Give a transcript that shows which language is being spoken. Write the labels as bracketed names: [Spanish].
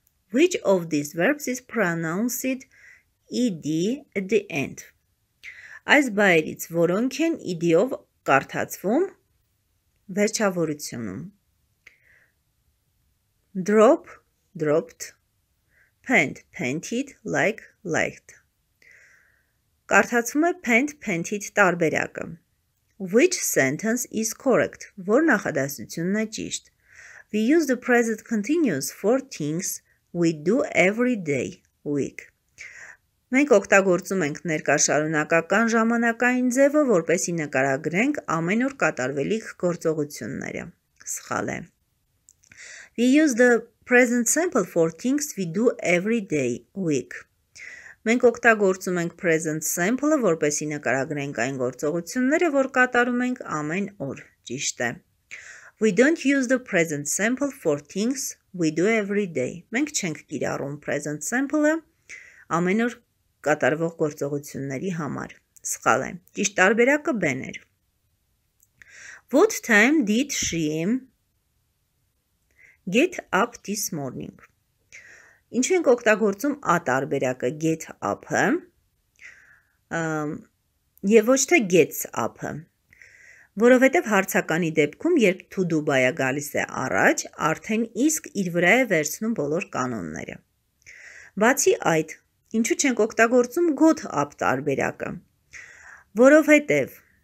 [English] Which of these verbs is pronounced ed at the end? [Armenian] Այս բայերից որոնք են ed-ով կարդացվում վերջավորությունում? [English] Drop, dropped. Paint, painted. Like, liked. [Armenian] Կարդացվում է [English] paint, painted տարբերակը. Which sentence is correct? [Armenian] Որ նախադասությունն է ճիշտ? [English] We use the present continuous for things we do every day, week. [Armenian] Մենք օգտագործում ենք ներկաշարունակական ժամանակային ձևը, որպեսզի նկարագրենք ամենուր կատարվելիք գործողությունները. Սխալ է. [English] We use the present simple for things we do every day, week. [Armenian] Մենք օգտագործում ենք present simple-ը, որպեսզի նկարագրենք այն գործողությունները, որ կատարում ենք ամեն օր, ճիշտ է. [English] We don't use the present simple for things we do every day. [Armenian] Մենք չենք կիրառում present simple-ը ամեն օր կատարվող գործողությունների համար. Սխալ է. Ճիշտ տարբերակը B-ն էր. [English] What time did she get up this morning? [Armenian] Ինչու ենք օգտագործում ա տարբերակը get up-ը եւ ոչ թե gets up-ը, որովհետեւ հարցականի դեպքում, երբ to do by-ը գալիս է առաջ, արդեն իսկ իր վրա է վերցնում բոլոր կանոնները։ Բացի այդ, ինչու չենք օգտագործում got up տարբերակը, որովհետեւ